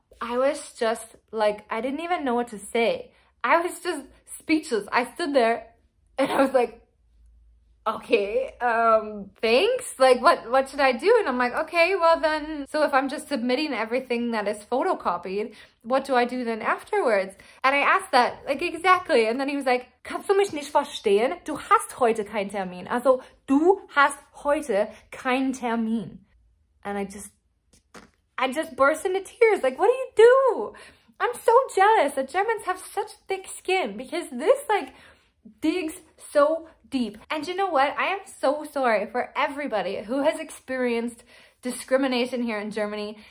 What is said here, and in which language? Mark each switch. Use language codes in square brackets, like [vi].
[en] I was just like, I didn't even know what to say. I was just speechless. I stood there and I was like, okay, thanks. Like, what should I do? And I'm like, okay, well then, so if I'm just submitting everything that is photocopied, what do I do then afterwards? And I asked that, like, exactly. And then he was like, [de] kannst du mich nicht verstehen? Du hast heute keinen Termin. Also, du hast heute keinen Termin. [en] And I just burst into tears. Like, what do you do? I'm so jealous that Germans have such thick skin because this like digs so deep. And you know what? I am so sorry for everybody who has experienced discrimination here in Germany.